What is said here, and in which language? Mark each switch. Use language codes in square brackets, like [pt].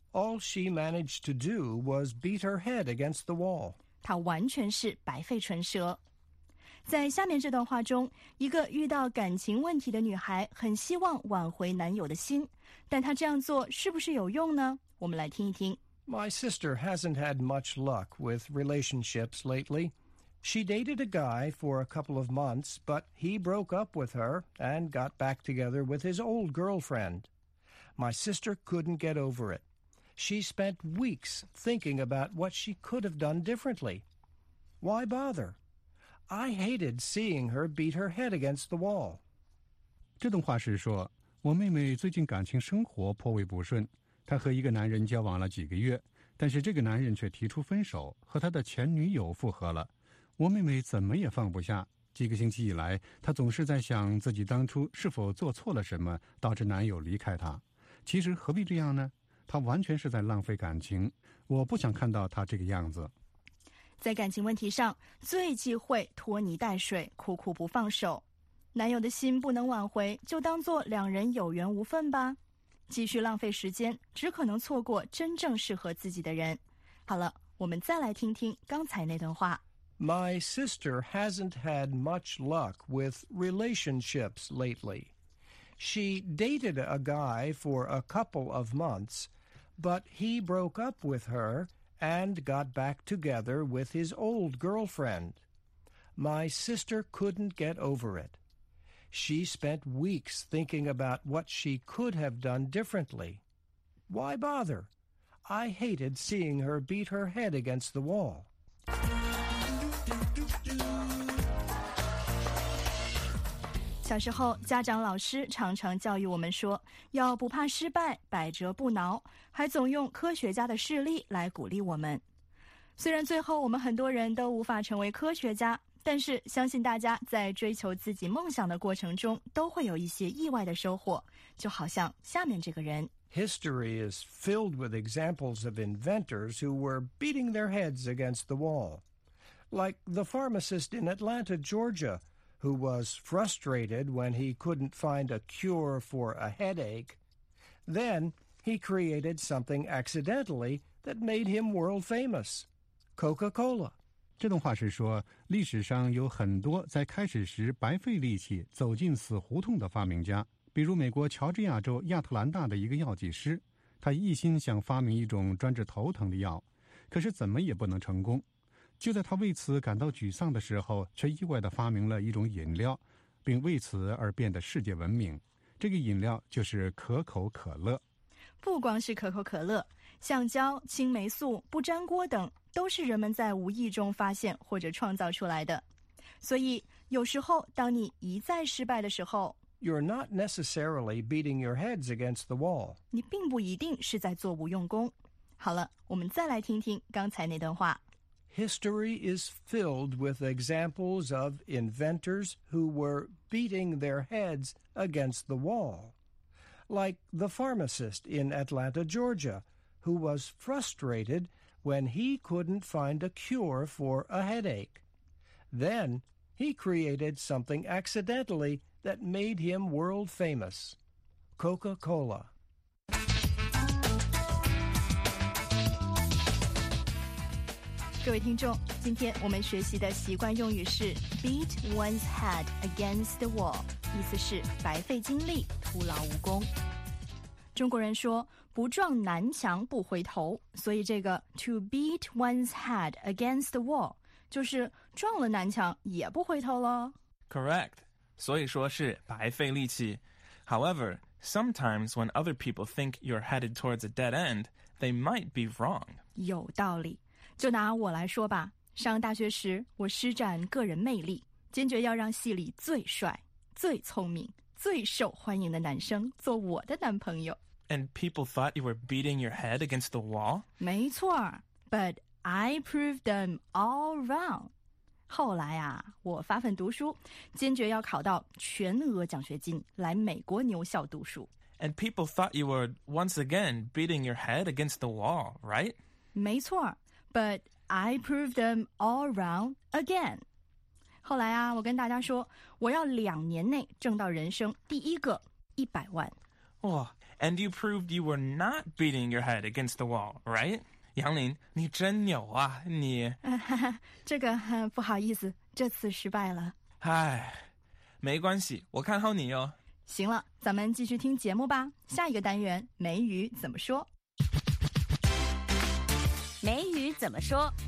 [en] All she managed to do was beat her head against the wall [zh] 她完全是白费唇舌在下面这段话中一个遇到感情问题的女孩很希望挽回男友的心但她这样做是不是有用呢我们来听一听 [en] My sister hasn't had much luck with relationships latelyShe dated a guy for a couple of months, but he broke up with her and got back together with his old girlfriend. My sister couldn't get over it. She spent weeks thinking about what she could have done differently. Why bother? I hated seeing her beat her head against the wall. [zh] 这段话是说，我妹妹最近感情生活颇为不顺，她和一个男人交往了几个月，但是这个男人却提出分手，和她的前女友复合了。我妹妹怎么也放不下，几个星期以来，她总是在想自己当初是否做错了什么，导致男友离开她。其实何必这样呢？她完全是在浪费感情，我不想看到她这个样子。在感情问题上，最忌讳拖泥带水，苦苦不放手。男友的心不能挽回，就当作两人有缘无分吧。继续浪费时间，只可能错过真正适合自己的人。好了，我们再来听听刚才那段话。 My sister hasn't had much luck with relationships lately. She dated a guy for a couple of months, but he broke up with her and got back together with his old girlfriend. My sister couldn't get over it. She spent weeks thinking about what she could have done differently. Why bother? I hated seeing her beat her head against the wall. 小时候，家长老师常常教育我们说，要不怕失败，百折不挠，还总用科学家的事例来鼓励我们。虽然最后我们很多人都无法成为科学家，但是相信大家在追求自己梦想的过程中都会有一些意外的收获，就好像下面这个人。 [en] History is filled with examples of inventors who were beating their heads against the wall. Like the pharmacist in Atlanta, Georgia, who was frustrated when he couldn't find a cure for a headache. Then he created something accidentally that made him world famous. Coca-Cola. [zh] 这段话是说，历史上有很多在开始时白费力气走进死胡同的发明家，比如美国乔治亚州亚特兰大的一个药剂师，他一心想发明一种专治头疼的药，可是怎么也不能成功。就在他为此感到沮丧的时候，却意外地发明了一种饮料，并为此而变得世界闻名。这个饮料就是可口可乐。不光是可口可乐，橡胶、青霉素、不粘锅等都是人们在无意中发现或者创造出来的。所以，有时候当你一再失败的时候 [en] You're not necessarily beating your heads against the wall. [zh] 你并不一定是在做无用功。好了，我们再来听听刚才那段话。 History is filled with examples of inventors who were beating their heads against the wall. Like the pharmacist in Atlanta, Georgia, who was frustrated when he couldn't find a cure for a headache. Then he created something accidentally that made him world famous. Coca-Cola. 各位听众，今天我们学习的习惯用语是 [en] beat one's head against the wall. [zh] 意思是白费精力，徒劳无功。中国人说不撞南墙不回头，所以这个 [en] to beat one's head against the wall [zh] 就是撞了南墙也不回头了。 Correct. 所以说是白费力气。 [en] However, sometimes when other people think you're headed towards a dead end, they might be wrong. [zh] 有道理。就拿我来说吧，上大学时我施展个人魅力，坚决要让系里最帅最聪明、最受欢迎的男生做我的男朋友。 [en] And people thought you were beating your head against the wall? [zh] 没错 [en] ,but I proved them all wrong. [zh] 后来啊，我发奋读书，坚决要考到全额奖学金来美国牛校读书。 [en] And people thought you were once again beating your head against the wall, right? [zh] 没错 [en] ,but I proved them all wrong again. [zh] 后来啊，我跟大家说，我要两年内挣到人生第一个100万。 [en] 哇、and you proved you were not beating your head against the wall, right? [zh] 杨林，你真牛啊，你。这个、不好意思，这次失败了。唉，没关系，我看好你哟。行了，咱们继续听节目吧。下一个单元，梅雨怎么说？梅雨怎么说